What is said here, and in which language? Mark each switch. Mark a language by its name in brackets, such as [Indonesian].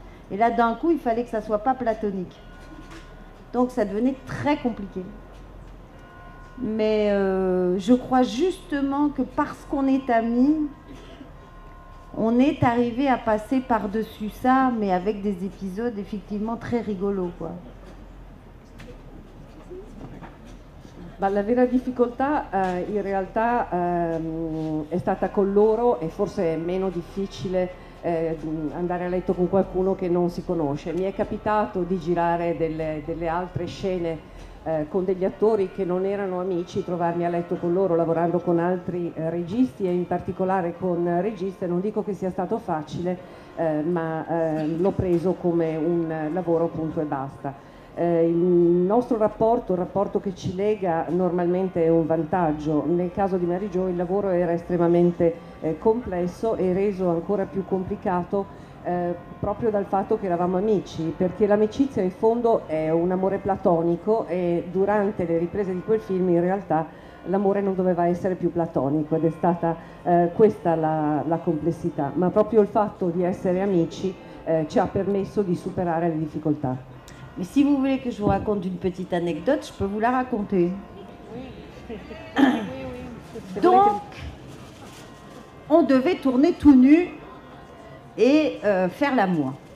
[French] Et là, d'un coup, il fallait que ça ne soit pas platonique. Donc, ça devenait très compliqué. Mais je crois justement que parce qu'on est amis, on est arrivé à passer par-dessus ça, mais avec des épisodes effectivement très rigolos, quoi. [Italian] Ma la vera difficoltà in realtà è stata con loro, e forse è meno difficile andare a letto con qualcuno che non si conosce. Mi è capitato di girare delle altre scene con degli attori che non erano amici, trovarmi a letto con loro, lavorando con altri registi e in particolare con registe, non dico che sia stato facile, ma l'ho preso come un lavoro punto e basta. Il nostro rapporto, il rapporto che ci lega normalmente è un vantaggio. Nel caso di Mary Jo il lavoro era estremamente complesso e reso ancora più complicato proprio dal fatto che eravamo amici, perché l'amicizia in fondo è un amore platonico e durante le riprese di quel film in realtà l'amore non doveva essere più platonico ed è stata questa la complessità, ma proprio il fatto di essere amici ci ha permesso di superare le difficoltà. [French] Mais si vous voulez que je vous raconte une petite anecdote, je peux vous la raconter. Oui. Donc, on devait tourner tout nu et faire l'amour.